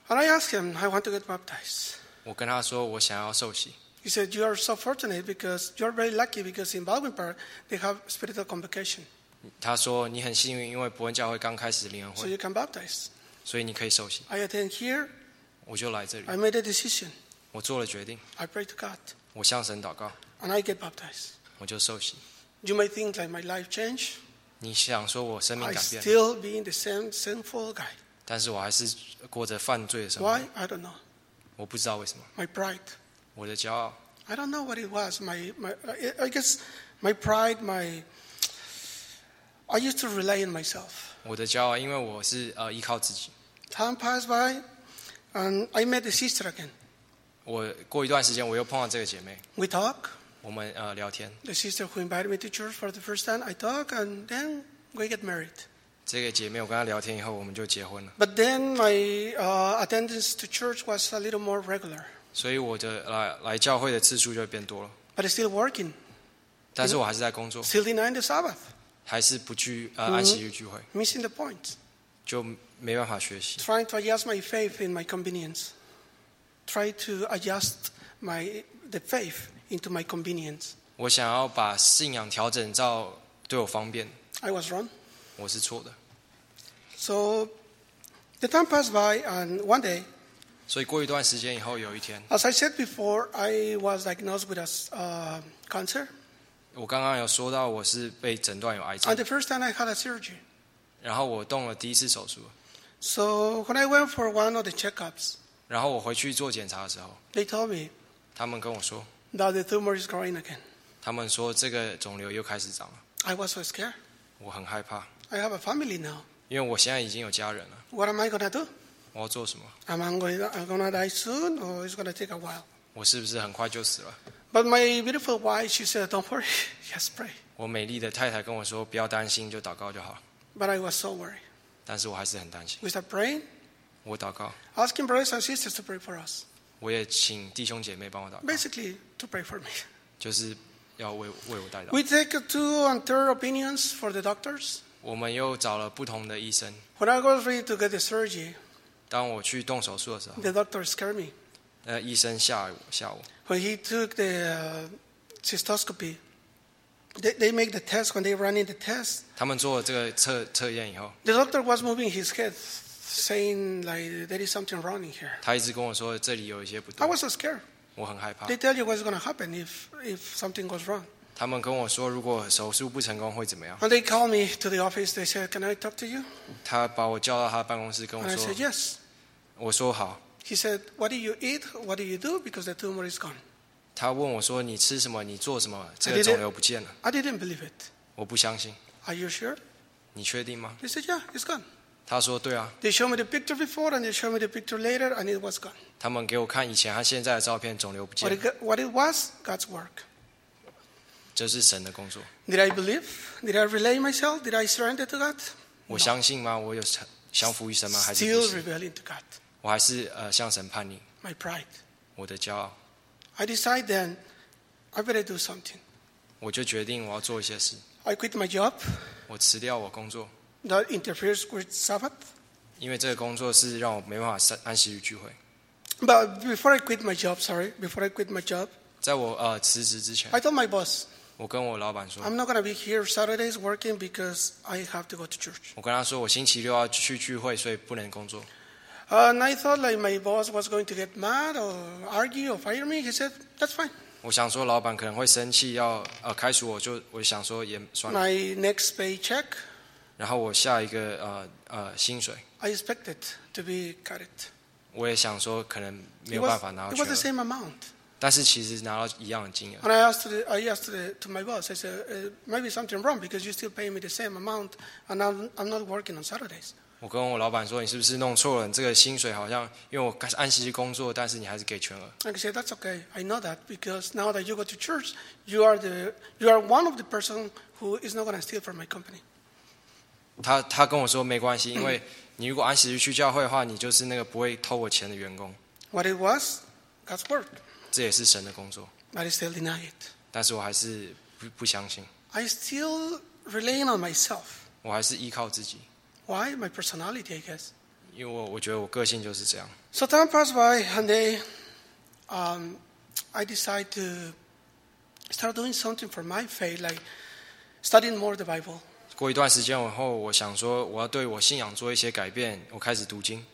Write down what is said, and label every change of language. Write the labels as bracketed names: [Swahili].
[English] And I asked him, I want to get baptized. [Chinese] 我跟他说我想要受洗。 [English] He said, you are so fortunate because you are very lucky because in Baldwin Park, they have spiritual convocation. [Chinese] 他说你很幸运因为伯恩教会刚开始灵恩会 [English] so you can baptize. [Chinese] 所以你可以受洗 [English] I attend here, [Chinese] 我就来这里 [English] I made a decision. [Chinese] 我做了决定 [English] I pray to God. [Chinese] 我向神祷告 [English] And I get baptized. [Chinese] 我就受洗 [English] You might think like my life changed. [Chinese] 你想说我生命改变了 [English] I still being the same sinful guy. [Chinese] 但是我还是过着犯罪的生活 [English] Why? I don't know. [Chinese] 我不知道为什么 [English] My pride. [Chinese] 我的骄傲 [English] I don't know what it was. I guess my pride, myI used to rely on myself. [Chinese] 我的骄傲，因为我是依靠自己。 [English] Time passed by, and I met a sister again. [Chinese] 我过一段时间，我又碰到这个姐妹。 [English] We talk. [Chinese] 我们聊天。 [English] The sister who invited me to church for the first time, I talk, and then we get married. [Chinese] 这个姐妹，我跟她聊天以后，我们就结婚了。 [English] But then my attendance to church was a little more regular. [Chinese] 所以我的来教会的次数就变多了。 [English] But still working. [Chinese] 但是我还是在工作。 [English] Still denying the Sabbath. [Chinese] 还是不去安息日聚会 [English] Missing the point. [Chinese] 就没办法学习 [English] Trying to adjust my faith in my convenience. Try to adjust the faith into my convenience. [Chinese] 我想要把信仰调整到对我方便 [English] I was wrong. [Chinese] 我是错的 [English] So the time passed by and one day [Chinese] 所以过一段时间以后有一天 [English] As I said before, I was diagnosed with a cancer. [Chinese] 我刚刚有说到我是被诊断有癌症。 [English] And the first time I had a surgery. [Chinese] 然后我动了第一次手术。 [English] So when I went for one of the checkups. [Chinese] 然后我回去做检查的时候。 [English] They told me. [Chinese] 他们跟我说。 [English] That the tumor is growing again. [Chinese] 他们说这个肿瘤又开始长了。 [English] I was so scared. [Chinese] 我很害怕。 [English] I have a family now. [Chinese] 因为我现在已经有家人了。 [English] What am I gonna do? [Chinese] 我要做什么 [English] ？Am I gonna die soon or it's gonna take a while? [Chinese] 我是不是很快就死了？ [English] But my beautiful wife, she said, "Don't worry, just pray." [Chinese] 我美丽的太太跟我说，不要担心，就祷告就好。 [English] But I was so worried. [Chinese] 但是我还是很担心。 [English] We start praying. [Chinese] 我祷告。 [English] Asking brothers and sisters to pray for us. [Chinese] 我也请弟兄姐妹帮我祷告。 [English] Basically, to pray for me. [Chinese] 就是要为我代祷。 [English] We take two and third opinions for the doctors. [Chinese] 我们又找了不同的医生。 [English] When I was ready to get the surgery, [Chinese] 当我去动手术的时候 [English] ，the doctor scared me. [Chinese] 医生吓我。 [English] When he took the cystoscopy, they make the test. When they run in the test, [Chinese] 他们做了这个测验以后 [English] the doctor was moving his head, saying like there is something wrong in here. [Chinese] 他一直跟我说这里有一些不对。 [English] I was so scared. [Chinese] 我很害怕。 [English] They tell you what's going to happen if something goes wrong. [Chinese] 他们跟我说如果手术不成功会怎么样。 [English] And they call me to the office. They said, "Can I talk to you?" [Chinese] 他把我叫到他办公室跟我说。 [English] And I said yes. [Chinese] 我说好。 [English] He said, "What do you eat? What do you do? Because the tumor is gone." [Chinese] 他问我说：“你吃什么？你做什么？这个肿瘤不见了。 [English] ”I didn't believe it. [Chinese] 我不相信。 [English] Are you sure? [Chinese] 你确定吗 [English] ？He said, "Yeah, it's gone." [Chinese] 他说：“对啊。 [English] ”They showed me the picture before, and they showed me the picture later, and it was gone. [Chinese] 他们给我看以前和现在的照片，肿瘤不见了。 [English] What it was? God's work. [Chinese] 这是神的工作。 [English] Did I believe? Did I rely myself? Did I surrender to God? [Chinese] 我相信吗？我有相服于神吗？还是 [English] still rebelling to God? [Chinese] 我还是向神叛逆。 [English] My pride. [Chinese] 我的骄傲。 [English] I decide then, I better do something. [Chinese] 我就决定我要做一些事。 [English] I quit my job. [Chinese] 我辞掉我工作。 [English] That interferes with Sabbath. [Chinese] 因为这个工作是让我没办法安息与聚会。 [English] But before I quit my job, sorry, before I quit my job. [Chinese] 在我辞职之前。 [English] I told my boss. [Chinese] 我跟我老板说 [English] I'm not going to be here Saturdays working because I have to go to church. [Chinese] 我跟他说我星期六要去聚会所以不能工作。 [English] And I thought like my boss was going to get mad or argue or fire me. He said, that's fine. [Chinese] 我想说老板可能会生气要开除我就我想说也算了。 [English] My next paycheck. [Chinese] 然后我下一个薪水。 [English] I expected to be cut it. [Chinese] 我也想说可能没有办法拿到钱。 [English] It was the same amount. [Chinese] 但是其实拿到一样的金额。 [English] And I asked, to my boss, I said, maybe something wrong because you still pay me the same amount, and I'm not working on Saturdays. [Chinese] 我跟我老板说，你是不是弄错了？你这个薪水好像，因为我按时工作，但是你还是给全额。 [English] I said, that's okay. I know that because now that you go to church, you are one of the person who is not going to steal from my company. [Chinese] 他跟我说没关系，因为你如果按时去教会的话，你就是那个不会偷我钱的员工。 [English] What it was, God's word. [Chinese] 这也是神的工作。 [English] But I still deny it. [Chinese] 但是我还是 不相信。 [English] I still relying on myself. [Chinese] 我还是依靠自己。 [English] Why? My personality, I guess. [Chinese] 因为我觉得我个性就是这样。 [English] So time passed by, and then, I decide to start doing something for my faith, like studying more the Bible. [Chinese] 过一段时间后，我想说我要对我信仰做一些改变，我开始读经。